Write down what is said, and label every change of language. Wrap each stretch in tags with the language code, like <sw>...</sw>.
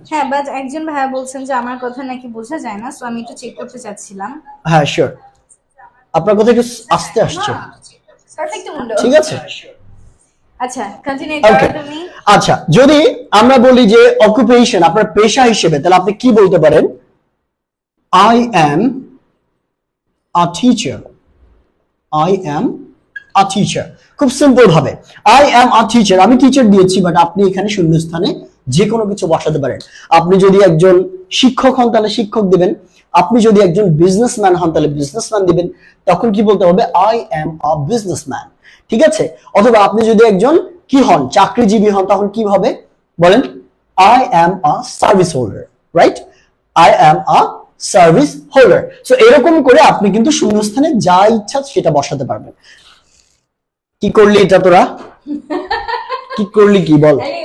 <bn>হ্যাঁ, বাট একজন ভাই বলছেন যে আমার কথা নাকি বোঝা যায় না, সো আমি একটু চেক করতে চাচ্ছিলাম। হ্যাঁ শিওর, আপনার কথা একটু আস্তে আসছে।</bn> <en>perfect window,</en> <bn>ঠিক আছে? আচ্ছা, কন্টিনিউ করো তুমি। আচ্ছা, যদি আমরা বলি যে অকুপেশন, আপনার পেশা হিসেবে, তাহলে আপনি কি বলতে পারেন?</bn> <en>I am a teacher, I am a teacher,</en> <bn>খুব সিম্পল ভাবে</bn> <en>I am a teacher,</en> <bn>আমি টিচার দিয়েছি। বাট আপনি এখানে শূন্যস্থানে যে কোনো কিছু বসাতে পারেন। আপনি যদি একজন শিক্ষক হন তাহলে শিক্ষক দিবেন, আপনি যদি একজন বিজনেসম্যান হন তাহলে বিজনেসম্যান দিবেন, তখন কি বলতে হবে?</bn> <en>I am a businessman,</en> <bn>ঠিক আছে? অথবা আপনি যদি একজন কি হন, চাকরিজীবী হন, তখন কি হবে বলেন?</bn> <en>I am a service holder, right? I am a service holder.</en> <bn>So এরকম করে আপনি কিন্তু শূন্যস্থানে যা ইচ্ছা সেটা বসাতে পারবেন। কি করলি এটা তোরা, কি করলি, কি বল?</bn>